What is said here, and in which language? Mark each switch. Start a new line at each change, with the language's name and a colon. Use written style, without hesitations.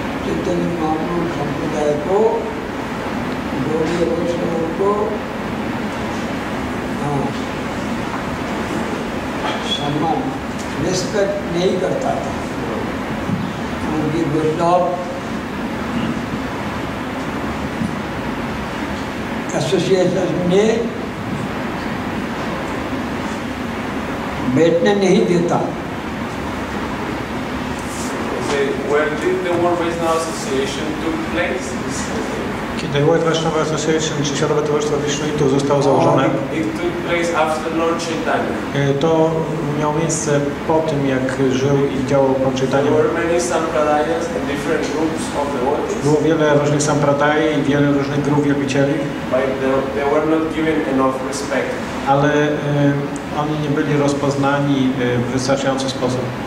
Hindi: चैतन्य महापुरुष संप्रदाय को गौड़ीय वैष्णव को सम्मान रिस्पेक्ट नहीं करता था, उनकी बिल्डअप एसोसिएशन में बैठने नहीं देता।
English: When did the World Vaishnava Association took place?
Polish: The World Vaishnava Association, czy Światowe Towarzystwo Vishnu, to zostało założone?
English: It took place after Lord Chaitanya.
Polish: To miało miejsce po tym, jak żył i działał Pan Chaitanya.
English: There were many sampradayas in different groups of devotees.
Polish: Było wiele różnych sampradaj i wiele różnych grup wielbicieli.
English: But they were not given enough respect.
Polish: Ale oni nie byli rozpoznani w wystarczający sposób.